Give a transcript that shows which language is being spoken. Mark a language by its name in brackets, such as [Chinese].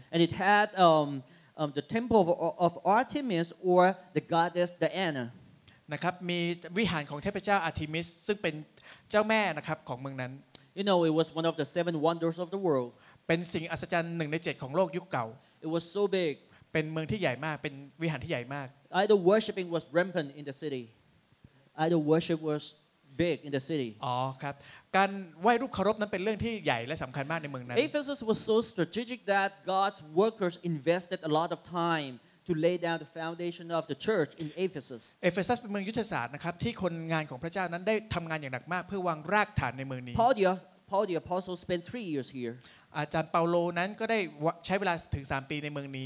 [English] And it had the temple of Artemis or the goddess Diana. [Thai] นะครับมีวิหารของเทพเจ้าอาร์ติมิสซึ่งเป็นเจ้าแม่นะครับของเมืองนั้น [English] You know, it was one of the seven wonders of the world. [Thai] เป็นสิ่งอัศจรรย์หนึ่งในเจ็ดของโลกยุคเก่า [English] It was so big. [Thai] เป็นเมืองที่ใหญ่มากเป็นวิหารที่ใหญ่มาก [English] Idol worshiping was rampant in the city. Idol worship was big in the city. [Thai] อ๋อครับการไหว้รูปเคารพนั้นเป็นเรื่องที่ใหญ่และสำคัญมากในเมืองนั้น [English] Ephesus was so strategic that God's workers invested a lot of time to lay down the foundation of the church in Ephesus. [Thai] Ephesus เป็นเมืองยุทธศาสตร์นะครับที่คนงานของพระเจ้านั้นได้ทำงานอย่างหนักมากเพื่อวางรากฐานในเมืองนี้ [English] Paul the apostle spent 3 years here. [Thai] อาจารย์เปาโลนั้นก็ได้ใช้เวลาถึง3ปีในเมืองนี